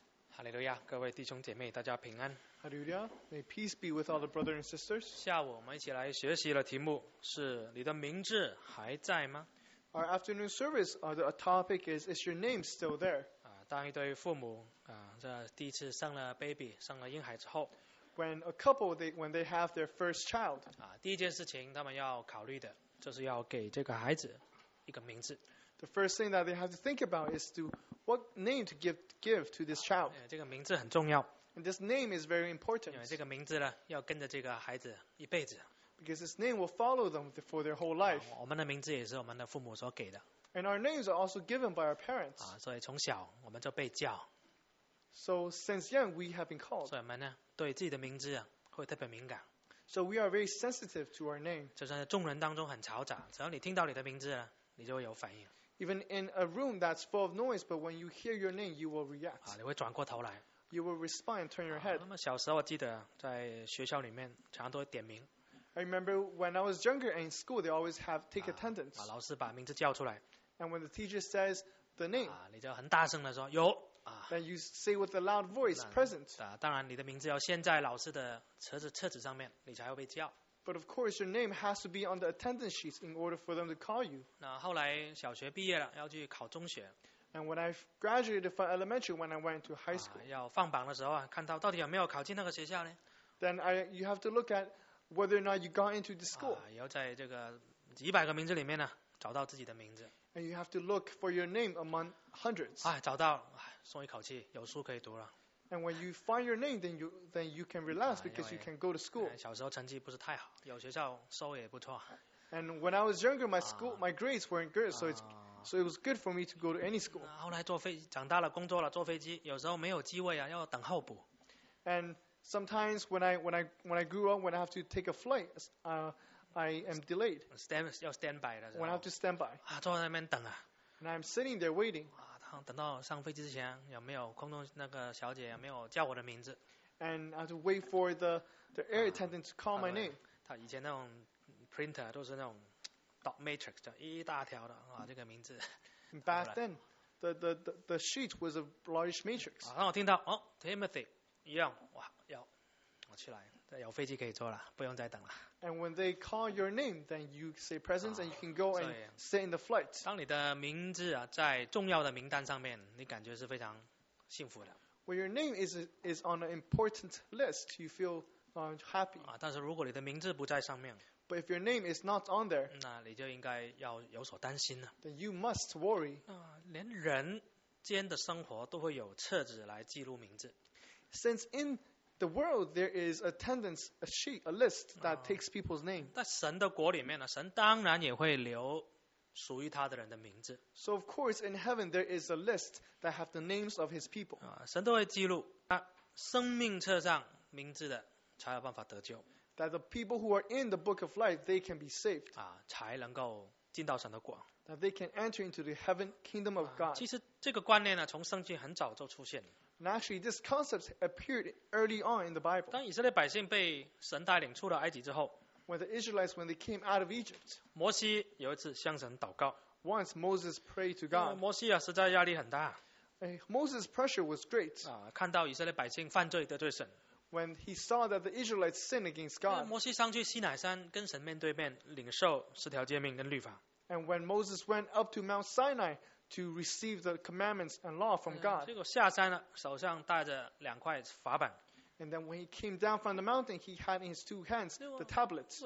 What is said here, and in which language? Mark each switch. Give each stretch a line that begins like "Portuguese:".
Chinese: 哈利路亚，各位弟兄姐妹，大家平安。哈利路亚
English: ，May peace be with all the brothers and sisters。
Chinese: 下午我们一起来学习的题目是：你的名字还在吗
English: ？Our afternoon service, the topic is your name still there？
Chinese: 啊，当一对父母啊，这第一次生了 baby， 生了婴孩之后
English: ，When a couple when they have their first child，
Chinese: 啊，第一件事情他们要考虑的就是要给这个孩子一个名字。
English: The first thing that they have to think about is to what name to give to this child.
Chinese: 这个名字很重要。
English: And this name is very important.
Chinese: 因为这个名字呢，要跟着这个孩子一辈子。
English: Because this name will follow them for their whole life.
Chinese: 我们的名字也是我们的父母所给的。
English: And our names are also given by our parents.
Chinese: 所以从小我们就被叫。
English: So since young we have been called.
Chinese: 所以我们呢，对自己的名字会特别敏感。
English: So we are very sensitive to our name.
Chinese: 就算在众人当中很嘈杂，只要你听到你的名字呢，你就会有反应。
English: Even in a room that's full of noise, but when you hear your name, you will react.
Chinese: 你会转过头来。
English: You will respond and turn your head.
Chinese: 那么小时候我记得在学校里面常常都点名。
English: I remember when I was younger in school, they always have take attendance.
Chinese: 老师把名字叫出来。
English: And when the teacher says the name,
Chinese: 你就很大声的说有。
English: Then you say with a loud voice, present.
Chinese: 当然你的名字要先在老师的册子上面，你才会被叫。
English: But of course, your name has to be on the attendance sheets in order for them to call you.
Chinese: 那后来小学毕业了，要去考中学。
English: And when I graduated from elementary, when I went to high school,
Chinese: 要放榜的时候啊，看到到底有没有考进那个学校呢
English: ？Then you have to look at whether or not you got into the school.
Chinese: 要在这个几百个名字里面呢，找到自己的名字。
English: And you have to look for your name among hundreds.
Chinese: 找到，松一口气，有书可以读了。
English: And when you find your name, then you can relax because you can go to school.
Chinese: 小时候成绩不是太好，有学校收也不错。
English: And when I was younger, my grades weren't good, so it was good for me to go to any school.
Chinese: 后来长大了，工作了，坐飞机，有时候没有机会啊，要等候补。
English: And sometimes when I grew up, when I have to take a flight, I am delayed. Stand by 的。 When I have to stand by.
Chinese: 坐在那边等啊。
English: And I'm sitting there waiting.
Chinese: 等到上飞机之前，有没有空中那个小姐有没有叫我的名字
English: ？And I have to wait for the air attendant to call my name.
Chinese: 他以前那种 printer 都是那种 dot matrix 的一大条的这个名字。
English: Back then, the sheet was a large matrix.
Chinese: 让我听到Timothy 一样，有，我去来，有飞机可以坐了，不用再等了。
English: And when they call your name, then you say presence and you can go and sit in the flight.
Chinese: 当你的名字在重要的名单上面，你感觉是非常幸福的。
English: When your name is on an important list, you feel happy.
Chinese: 但是如果你的名字不在上面
English: ，But if your name is not on there,
Chinese: 那你就应该要有所担心了。
English: Then you must worry.
Chinese: 连人间的生活都会有册子来记录名字。
English: Since in the world, there is attendance, a sheet, a list that takes people's name.
Chinese: 在神的国里面呢，神当然也会留属于他的人的名字。
English: So of course, in heaven, there is a list that have the names of His people.
Chinese: 神都会记录他生命册上名字的，才有办法得救。
English: That the people who are in the book of life, they can be saved.
Chinese: 才能够进到神的国。
English: That they can enter into the heaven kingdom of God.
Chinese: 其实这个观念呢，从圣经很早就出现了。
English: And actually, this concept appeared early on in the Bible.
Chinese: 当以色列百姓被神带领出了埃及之后
English: ，When the Israelites when they came out of Egypt,
Chinese: 摩西有一次向神祷告。
English: Once Moses prayed to God.
Chinese: 摩西实在压力很大。
English: Moses' pressure was great.
Chinese: 看到以色列百姓犯罪得罪神。
English: When he saw that the Israelites sinned against God.
Chinese: 摩西上去西乃山跟神面对面领受十条诫命跟律法。
English: And when Moses went up to Mount Sinai. To receive the commandments and law from God.
Chinese: 结果下山了，手上带着两块法板。
English: And then when he came down from the mountain, he had in his two hands the tablets.